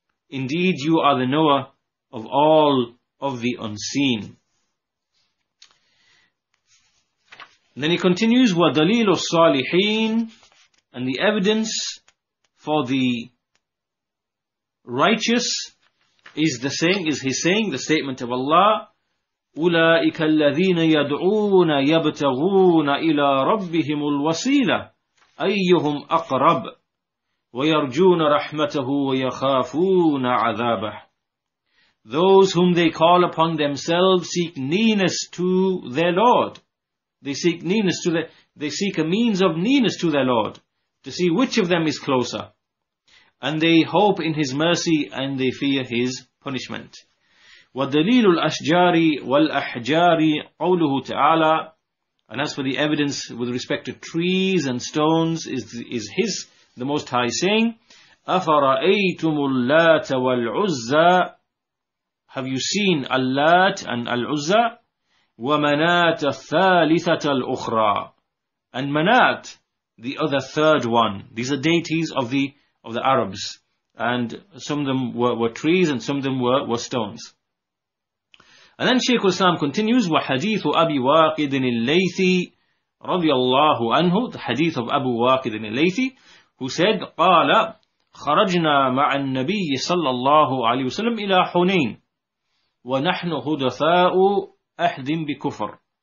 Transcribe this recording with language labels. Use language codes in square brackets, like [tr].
[en] Indeed, you are the knower of all of the unseen. And then he continues, [ar] وَدَلِيلُ الصَّالِحِينَ. [en] And the evidence for the righteous is the saying, is his saying, the statement of Allah, [ar] أولئك الذين يدعون يبتغون إلى ربهم الوسيلة أيهم أقرب. وَيَرْجُونَ رَحْمَتَهُ وَيَخَافُونَ عَذَابَهُ. [en] Those whom they call upon themselves seek nearness to their Lord. They seek a means of nearness to their Lord, to see which of them is closer. And they hope in His mercy and they fear His punishment. [ar] وَدَلِيلُ الْأَشْجَارِ وَالْأَحْجَارِ قَوْلُهُ تَعَالَى. [en] And as for the evidence with respect to trees and stones, is His, the Most High, saying, [ar] أَفَرَأَيْتُمُ اللَّاتَ وَالْعُزَّى. [en] Have you seen [ar] اللات and العزّة؟ ومنات الثالثة الأخرى. [en] And منات, the other third one. These are deities of the Arabs. And some of them were trees and some of them were stones. And then Shaykh al-Islam continues, [ar] وحديث أبي واقد الليثي رضي الله عنه. [en] The hadith of Abu Waqid al-Laythi, who said, [ar] قال خرجنا مع النبي صلى الله عليه وسلم إلى حنين ونحن حدثاء أحد بكفر.